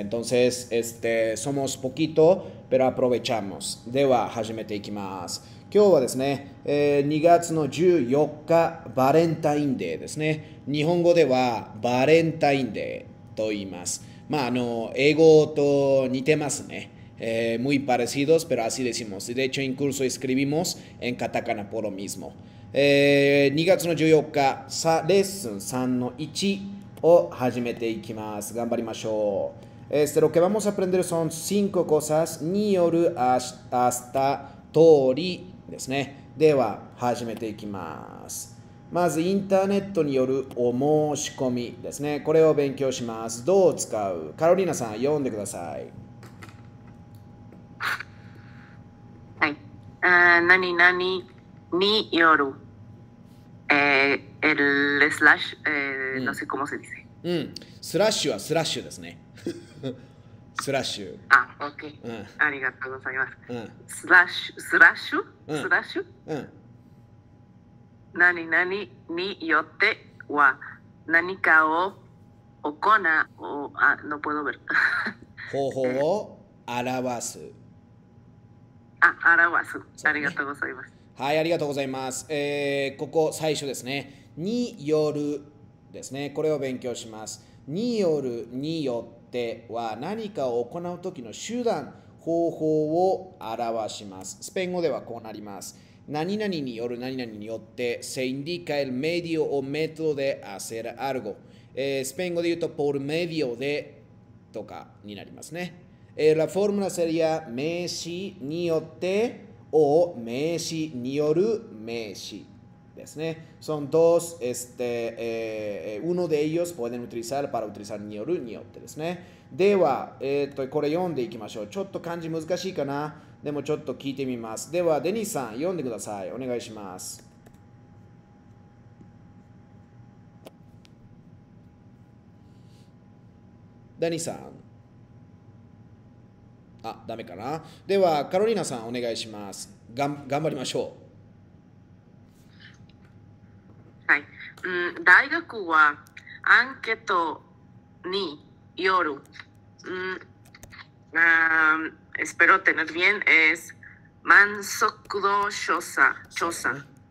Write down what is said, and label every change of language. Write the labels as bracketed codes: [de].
[es] Entonces, somos poquito, pero aprovechamos. [ja] では始めていきます。今日はですね、2月の14日、バレンタインデーですね。日本語ではバレンタインデーと言います。まあ、英語と似てますね。 [es] Muy parecidos, pero así decimos. De hecho, incluso escribimos en katakana por lo mismo. [ja] 2月の14日、レッスン3の1を始めていきます。頑張りましょう。 [es] Lo que vamos a aprender son 5 cosas による hasta [ja] 通りですね。では始めていきます。まずインターネットによるお申し込みですね。これを勉強します。どう使う？カロリーナさん読んでください。はい。何々による、スラッシュ、 [es] うん、no sé cómo se dice。うん。 [ja] スラッシュはスラッシュですね。スラッシュ。あ、オッケー。ありがとうございます。スラッシュ、うん。何々によっては何かを行う、あ、 [es] no puedo ver。 [ja] 方法を表す。あ、表す。ありがとうございます。はい、ありがとうございます。ここ最初ですね。によるですね。これを勉強します。によるによっては何かを行う時の手段、方法を表します。スペイン語ではこうなります。何々による何々によって、 [es] se indica el medio o método de hacer algo。 [ja] スペイン語で言うと、 [es] por medio de [ja] とかになりますね。 [es] La fórmula sería [ja] 名詞によって、 [es] o [ja] 名詞による名詞ですね。 [es] Son dos, uno de ellos pueden utilizar para utilizar [ja] によるによってですね。では、これ読んでいきましょう。ちょっと漢字難しいかな。でもちょっと聞いてみます。では、デニスさん、読んでください。お願いします。デニスさん。あ、ダメかな。では、カロリーナさん、お願いします。頑張りましょう。はい。大学はアンケートによる。 [es] Espero tener bien, es Mansokudo Shosa, Chosa.